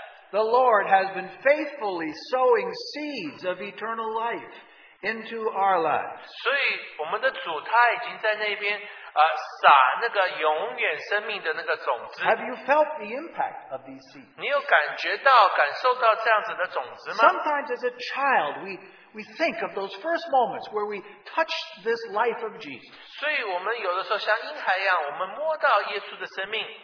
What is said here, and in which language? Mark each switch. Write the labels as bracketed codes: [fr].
[en] The Lord has been faithfully sowing seeds of eternal life into our lives. [zh] 所以我们的主他已经在那边撒那个永远生命的那个种子。 [en] Have you felt the impact of these seeds? [zh] 你有感觉到感受到这样子的种子吗? [en] Sometimes as a child we think of those first moments where we touch this life of Jesus. [zh] 所以我们有的时候像婴孩一样，我们摸到耶稣的生命。